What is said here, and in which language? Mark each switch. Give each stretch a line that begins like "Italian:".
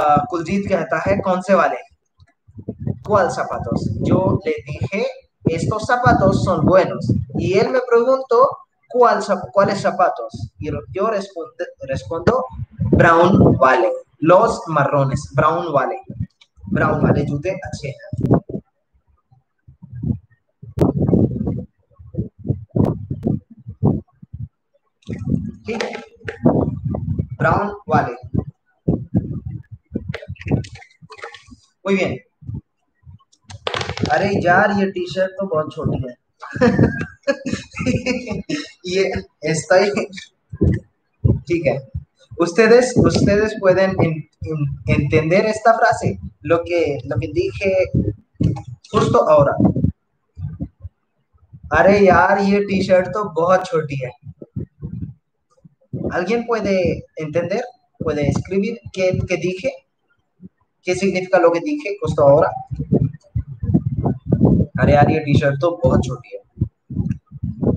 Hindi: कुलजीत कहता है कौन से वाले?
Spanish: ¿Cuál zapatos? Yo le dije, estos zapatos son buenos. Y él me preguntó, ¿cuáles zapatos? Y yo respondo,
Hindi: Brown vale.
Spanish: Los marrones, Brown vale.
Hindi: Brown वाले जूते अच्छे हैं। ठीक है, ब्राउन वाले कोई भी। अरे यार ये टी शर्ट तो बहुत छोटी है। ये ऐसा ही ठीक है।
Spanish: ustedes pueden entender esta frase, lo que dije justo ahora.
Hindi: अरे यार ये टी शर्ट तो बहुत छोटी है।
Spanish: ¿Alguien puede entender, puede escribir qué dije? ¿Qué significa lo que dije justo ahora?
Hindi: अरे यार ये टी शर्ट तो बहुत छोटी है।